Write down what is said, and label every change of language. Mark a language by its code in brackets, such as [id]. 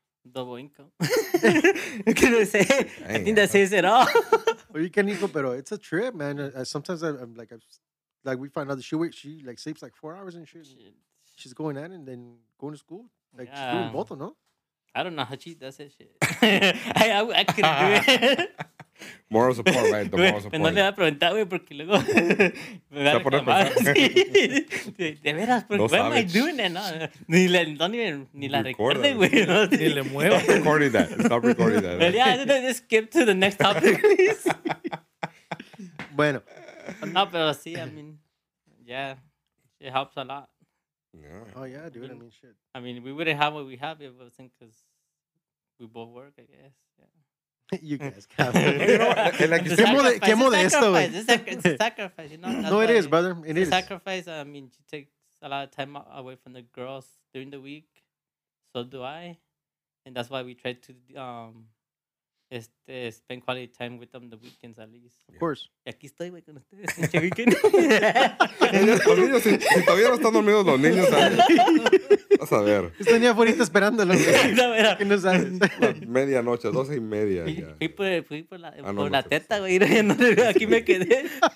[en] Double income. [es] ¿Qué no sé? [en] I think that says it all. [es] Oye, canijo, pero [en] it's a trip, man. Sometimes I'm like we find out that she like sleeps like 4 hours and shit. She's going out and then going to school. Like yeah. She's doing both, no? I don't know how she does that shit. I couldn't do it. Moral support, right? The moral support. [es] No le voy a preguntar, güey, porque luego me va a reclamar. De veras, porque [en] what am I doing it, [es] no? Ni la recuerde, güey. Ni le mueva. [en] Stop recording that. Stop recording that. But yeah, let's just skip to the next topic, please. [es] Bueno. No, pero sí, [en] I mean, yeah, it helps a lot. Yeah. Oh, yeah, dude, I mean, shit. I mean, we wouldn't have what we have if it wasn't because we both work, I guess, yeah. You guys, [es] qué modesto, güey. [en] It's a sacrifice, you know. No, it is, brother. It is. Sacrifice, I mean, she takes a lot of time away from the girls during the week. So do I. And that's why we try to spend quality time with them the weekends at least. Of course. [es] Y aquí estoy, güey, con ustedes. Este weekend. Los niños, si todavía no están dormidos los niños, ¿sabes? Vas a ver. Este niño afuera esperándolo. ¿Qué no sabes? Medianoche, 12:30. Fui por la teta, güey. Aquí me quedé.